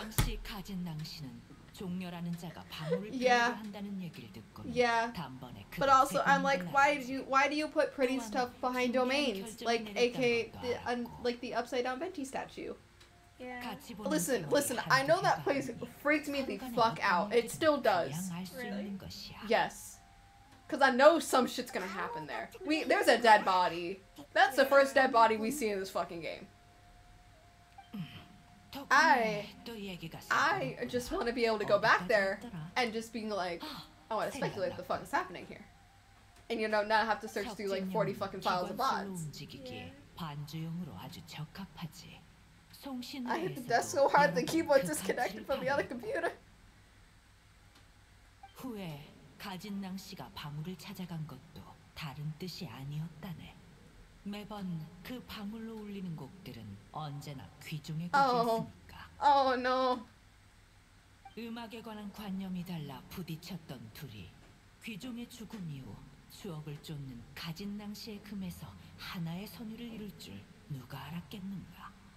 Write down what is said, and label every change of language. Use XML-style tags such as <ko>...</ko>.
<ko>당시 가진 낭시는 종려라는 자가 방울을 필요로 한다는 얘기를 듣고 단번에</ko> <en>But also I'm like why do you put pretty stuff behind domains? Like aka the like the upside down Venti statue. Yeah. Listen, I know that place freaked me the fuck out. It still does. Really? Yes. Cause I know some shit's gonna happen there. There's a dead body. That's the first dead body we see in this fucking game. I just wanna be able to go back there and just being like, I wanna speculate the fuck is happening here. And you know, not have to search through like 40 fucking files of bots. Yeah. I hit the desk so hard the keyboard disconnected from the other computer.</en> <ko>후에 가진 낭시가 방울을 찾아간 것도 다른 뜻이 아니었다네. 매번 그 방울로 울리는 곡들은 언제나 귀중의 곡이었으니까.</ko> <en>Oh no.</en> <ko>음악에 관한 관념이 달라 부딪혔던 둘이 귀종의 죽음 이후 추억을 쫓는 가진 낭시의 금에서 하나의 선율을 이룰 줄 누가 알았겠는가.</ko>